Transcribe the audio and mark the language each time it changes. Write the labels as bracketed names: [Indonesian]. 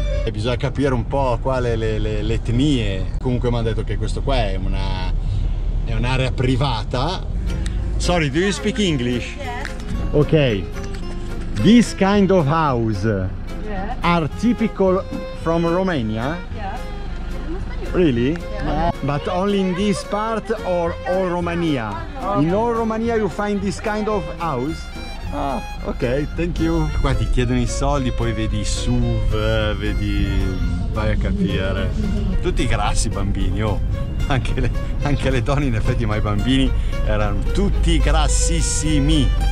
[Italian] Bisogna capire un po' quale le etnie. Comunque mi hanno detto che questo qua è una è un'area privata. [English] Sorry, do you speak English? Yes. Okay. This kind of house are typical from Romania? Yeah. Really? Yeah. But only in this part or all Romania? Okay. In all Romania you find this kind of house? Ah, ok, thank you. [Italian] Qua ti chiedono i soldi, poi vedi i SUV, vedi... vai a capire. Tutti grassi bambini, oh. Anche le donne, in effetti, ma i bambini erano tutti grassissimi.